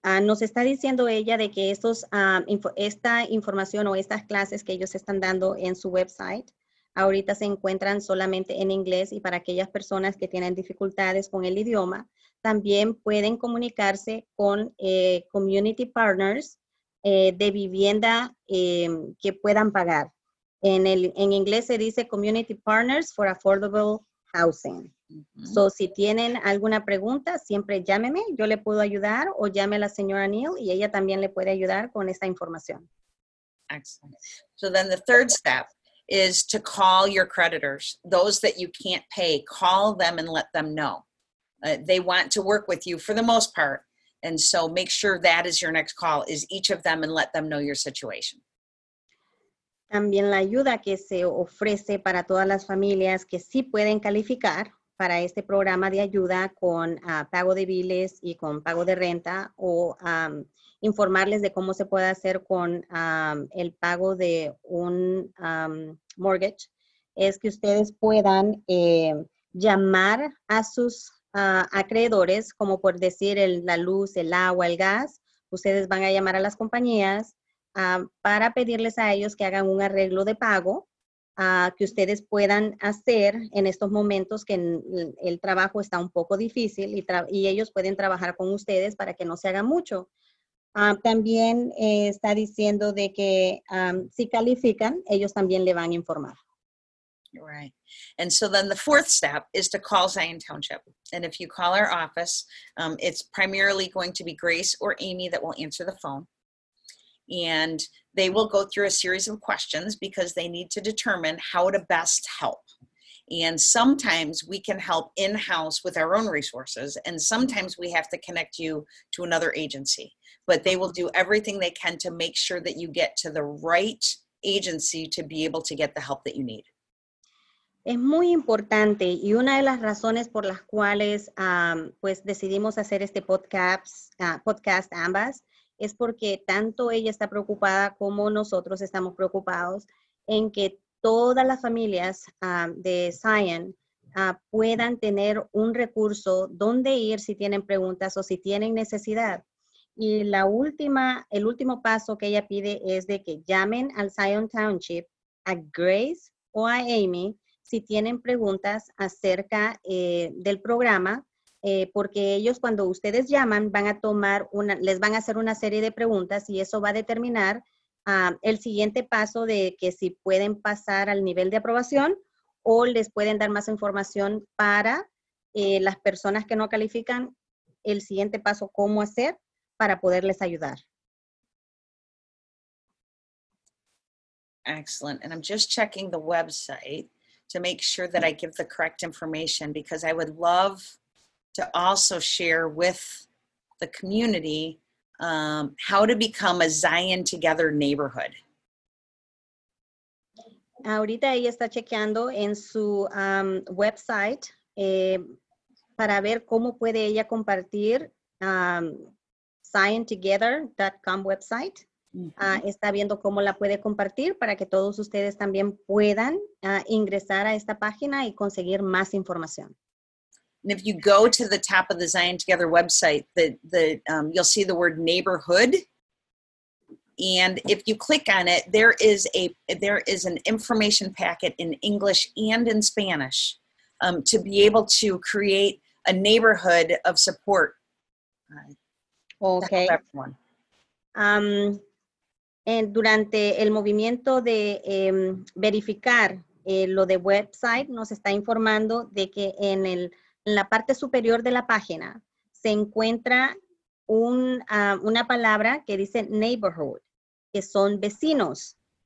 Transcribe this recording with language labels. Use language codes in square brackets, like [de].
[es] Nos está diciendo ella de que estos, esta información o estas clases que ellos están dando en su website ahorita se encuentran solamente en inglés y para aquellas personas que tienen dificultades con el idioma, también pueden comunicarse con Community Partners de vivienda que puedan pagar. En inglés se dice Community Partners for Affordable Housing. So, si tienen alguna pregunta, siempre llámeme, yo le puedo ayudar, o llame a la señora Neal y ella también le puede ayudar con esta información. [en] Excellent. So then the third step is to call your creditors, those that you can't pay, call them and let them know. They want to work with you for the most part, and so make sure that is your next call, is each of them and let them know your situation. [es] También la ayuda que se ofrece para todas las familias que sí pueden calificar para este programa de ayuda con pago de biles y con pago de renta o informarles de cómo se puede hacer con el pago de un mortgage, es que ustedes puedan llamar a sus acreedores, como por decir la luz, el agua, el gas. Ustedes van a llamar a las compañías para pedirles a ellos que hagan un arreglo de pago que ustedes puedan hacer en estos momentos que el trabajo está un poco difícil y ellos pueden trabajar con ustedes para que no se haga mucho. También está diciendo de que si califican, ellos también le van a informar. [en] Right. And so then the fourth step is to call Zion Township. And if you call our office, it's primarily going to be Grace or Amy that will answer the phone. And they will go through a series of questions because they need to determine how to best help. And sometimes we can help in-house with our own resources, and sometimes we have to connect you to another agency. But they will do everything they can to make sure that you get to the right agency to be able to get the help that you need. [es] Es muy importante, y una de las razones por las cuales pues decidimos hacer este podcast ambas, es porque tanto ella está preocupada como nosotros estamos preocupados en que todas las familias de Zion puedan tener un recurso donde ir si tienen preguntas o si tienen necesidad. Y el último paso que ella pide es de que llamen al Zion Township, a Grace o a Amy, si tienen preguntas acerca del programa. Porque ellos cuando ustedes llaman van a tomar les van a hacer una serie de preguntas y eso va a determinar el siguiente paso de que si pueden pasar al nivel de aprobación o les pueden dar más información para las personas que no califican el siguiente paso cómo hacer para poderles ayudar. [en] Excellent. And I'm just checking the website to make sure that I give the correct information because I would love to also share with the community how to become a Zion Together neighborhood. [es] Ahorita ella está chequeando en su website para ver cómo puede ella compartir ZionTogether.com website. Mm-hmm. Está viendo cómo la puede compartir para que todos ustedes también puedan ingresar a esta página y conseguir más información. [en] And if you go to the top of the Zion Together website, you'll see the word neighborhood. And if you click on it, there is an information packet in English and in Spanish to be able to create a neighborhood of support. Okay. [es] And durante el movimiento de verificar lo de website, nos está informando de que en la parte superior de la página se encuentra una palabra que dice neighborhood, que son vecinos.